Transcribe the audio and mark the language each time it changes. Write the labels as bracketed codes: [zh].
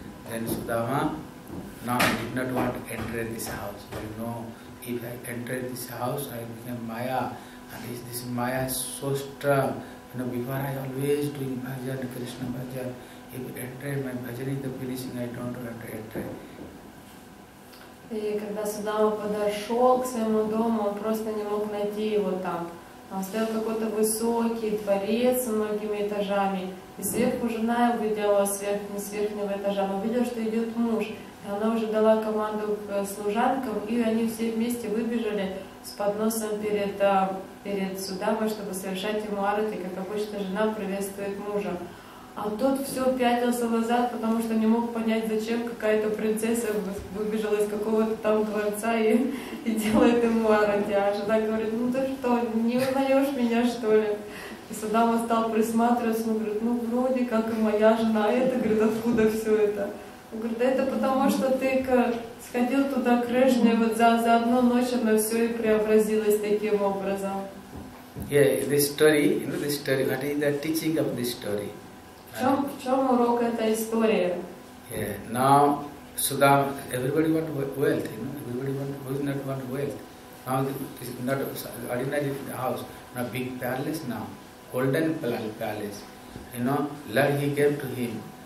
[en] Then Sudama, now he did not want to enter this house. You know. If I enter this house, I become Maya, and this Maya is so strong. You know, before I always doing bhajan, Krishna bhajan. If I enter my bhajan in the finishing, I don't want to enter. [ru] И когда Судама подошел к своему дому, он просто не мог найти его там. Он стоял какой-то высокий дворец с многими этажами, и сверху жена увидела с верхнего этажа, но видела, что идет муж. Она уже дала команду к служанкам, и они все вместе выбежали с подносом перед Судамой, чтобы совершать ему арати, как обычно жена приветствует мужа. А тот все пятился назад, потому что не мог понять, зачем какая-то принцесса выбежала из какого-то там дворца и делает ему арати. А жена говорит, ну ты что, не узнаешь меня, что ли? И Судама стал присматриваться, он говорит, ну вроде как и моя жена, а это, говорит, откуда все это? Он говорит, да это потому, что ты сходил туда к Кришне, вот за одну ночь оно все и преобразилось таким образом. [en] Yeah, this story, you know this story, what is the teaching of this story? [ru] В чем урок этой истории? [en] Yeah, now Sudama, everybody want wealth, you know, everybody want, who does not want wealth? Now this is not ordinary house, now big palace now, golden palace, you know, Lord he gave to him.